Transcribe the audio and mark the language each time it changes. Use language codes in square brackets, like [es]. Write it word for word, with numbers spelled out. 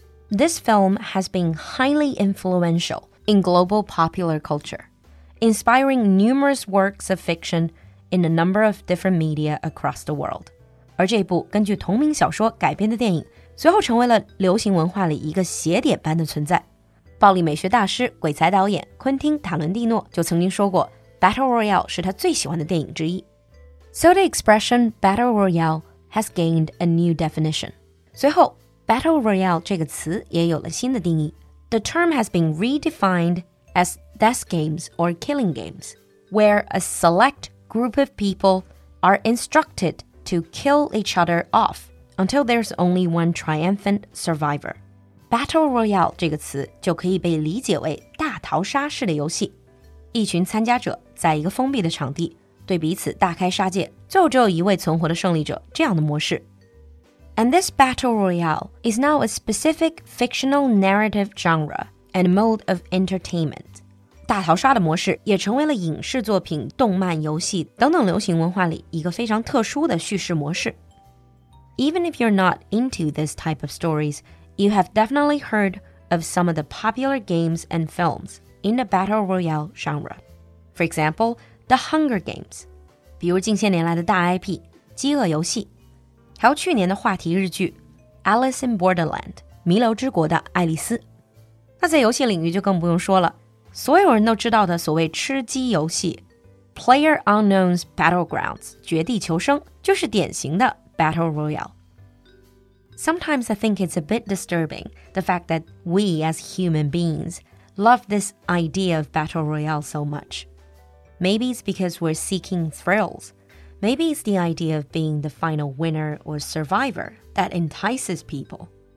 [en] This film has been highly influential in global popular culture. Inspiring numerous works of fiction in a number of different media across the world. [zh] 而这部根据同名小说改编的电影，随后成为了流行文化里一个邪典般的存在。暴力美学大师、鬼才导演昆汀·塔伦蒂诺就曾经说过 Battle Royale 是他最喜欢的电影之一。 [en] So the expression Battle Royale has gained a new definition. [zh] 随后 Battle Royale 这个词也有了新的定义。 [en] The term has been redefined as death games or killing games, where a select group of people are instructed to kill each other off until there's only one triumphant survivor. [zh] Battle Royale 这个词就可以被理解为大逃杀式的游戏，一群参加者在一个封闭的场地对彼此大开杀戒，最后只有一位存活的胜利者，这样的模式。 [en] And this Battle Royale is now a specific fictional narrative genre and mode of entertainment. [zh] 大逃杀的模式也成为了影视作品、动漫、游戏等等流行文化里一个非常特殊的叙事模式。 [en] Even if you're not into this type of stories, you have definitely heard of some of the popular games and films in the battle royale genre. For example, The Hunger Games. [zh] 比如近些年来的大 I P, 饥饿游戏。还有去年的话题日剧 Alice in Borderland, 弥留之国的爱丽丝。那在游戏领域就更不用说了，所有人都知道的所谓吃鸡游戏 PlayerUnknown's Battlegrounds, 绝地求生，就是典型的Battle Royale. [en] Sometimes I think it's a bit disturbing, the fact that we as human beings love this idea of Battle Royale so much. Maybe it's because we're seeking thrills. Maybe it's the idea of being the final winner or survivor that entices people.